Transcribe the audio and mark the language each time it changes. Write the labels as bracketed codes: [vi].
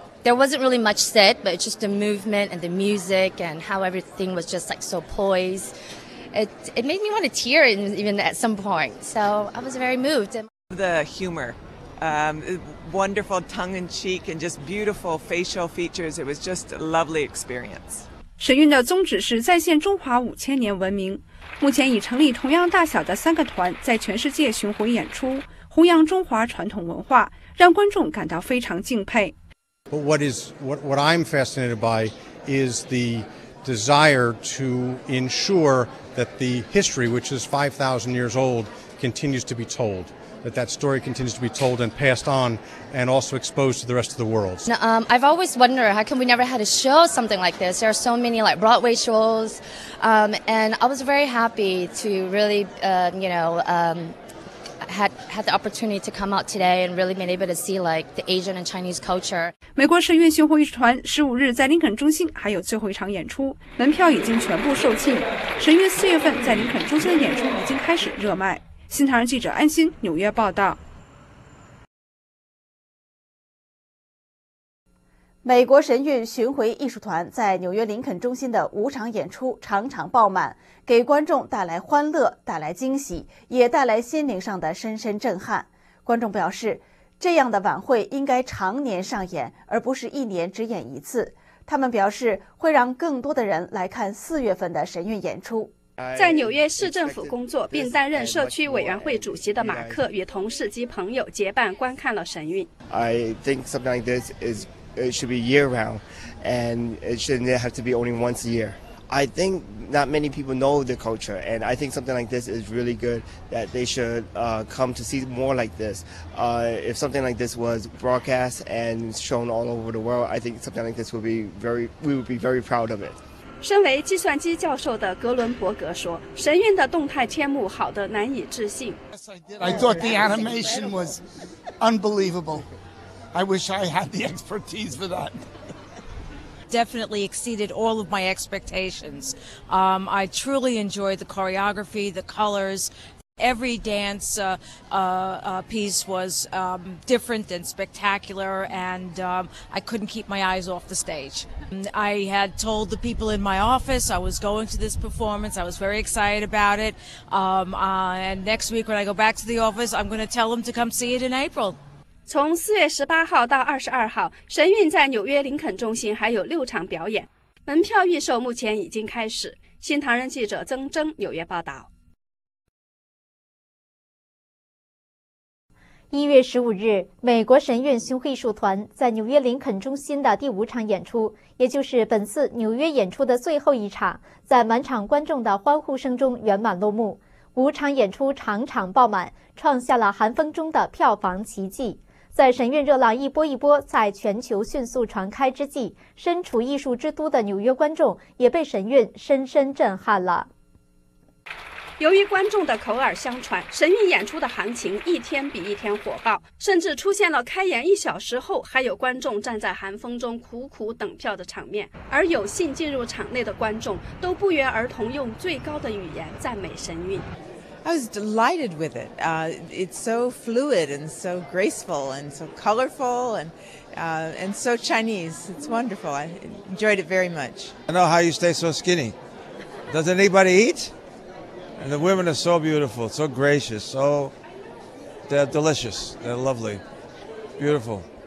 [en] There wasn't really much said, but it's just the movement and the music and how everything was just like so poised. it made me want to tear even at some point. So I was very moved. The humor, wonderful tongue-in-cheek and just beautiful facial features. It was just a lovely experience. [zh] 神韵的宗旨是再现中华五千年文明。目前已成立同样大小的三个团在全世界巡回演出，弘扬中华传统文化，让观众感到非常敬佩。 [en] But what I'm fascinated by is the desire to ensure that the history, which is 5,000 years old, continues to be told. That story continues to be told and passed on and also exposed to the rest of the world. Now, I've always wondered how come we never had a show something like this. There are so many like Broadway shows, and I was very happy to really, had the opportunity to come out today and really been able to see like the Asian and Chinese culture. [zh] 美国神韵巡回艺术团15日在林肯中心还有最后一场演出，门票已经全部售罄。神韵4月份在林肯中心的演出已经开始热卖。新唐人记者安心纽约报道。美国神韵巡回艺术团在纽约林肯中心的五场演出场场爆满，给观众带来欢乐，带来惊喜，也带来心灵上的深深震撼。观众表示，这样的晚会应该常年上演，而不是一年只演一次。他们表示会让更多的人来看四月份的神韵演出。在纽约市政府工作并担任社区委员会主席的马克与同事及朋友结伴观看了神韵。 [en] I think something like this is it should be year round, and it shouldn't have to be only once a year. I think not many people know the culture, and I think something like this is really good that they should come to see more like this. If something like this was broadcast and shown all over the world, I think something like this would be very proud of it. [zh] 身为计算机教授的格伦伯格说，神韵的动态天幕好得难以置信。 [en] I thought the animation was unbelievable. I wish I had the expertise for that. Definitely exceeded all of my expectations. I truly enjoyed the choreography, the colors. Every dance piece was different and spectacular, and I couldn't keep my eyes off the stage. I had told the people in my office I was going to this performance. I was very excited about it. And next week when I go back to the office, I'm going to tell them to come see it in April. [zh] 从4月18号到22号，神韵在纽约林肯中心还有六场表演，门票预售目前已经开始。新唐人记者曾征纽约报道。 1月15日，美国神韵巡回艺术团在纽约林肯中心的第五场演出，也就是本次纽约演出的最后一场，在满场观众的欢呼声中圆满落幕。五场演出场场爆满，创下了寒风中的票房奇迹。在神韵热浪一波一波在全球迅速传开之际，身处艺术之都的纽约观众也被神韵深深震撼了。由于观众的口耳相传，神韵演出的行情一天比一天火爆，甚至出现了开演一小时后还有观众站在寒风中苦苦等票的场面。而有幸进入场内的观众都不约而同用最高的语言赞美神韵。 [en] I was delighted with it. It's so fluid and so graceful and so colorful and so Chinese. It's wonderful. I enjoyed it very much. I know how you stay so skinny. Does anybody eat? And the women are so beautiful, so gracious, so they're delicious, they're lovely, beautiful.